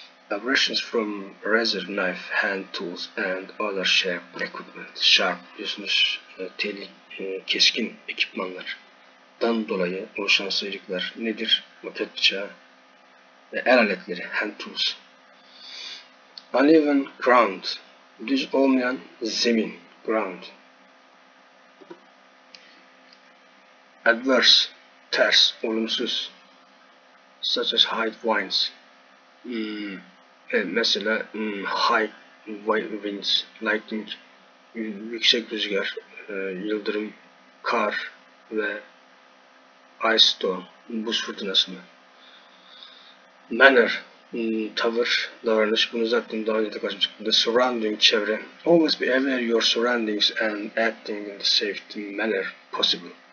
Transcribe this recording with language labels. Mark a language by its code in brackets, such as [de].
[en] Abrasions from razor knife, hand tools and other sharp equipment. [tr] Sharp diyorsunuz, keskin ekipmanlardan dolayı oluşan sıyrıklar nedir? Maket bıçağı ve el aletleri, hand tools. [en] Uneven ground. [tr] Düz olmayan zemin. Ground. [en] Adverse. [tr] Ters. Olumsuz. [en] Such as high winds. Mesela high winds. Lightning. [tr] Yüksek rüzgar. Yıldırım. Kar. Ve ice storm. Buz fırtınası mı? Manner. Tavır, davranış, bunu zaten daha önce de kaçmıştık. [en] The surrounding, çevre. Always be aware of your surroundings and acting in the safe manner possible.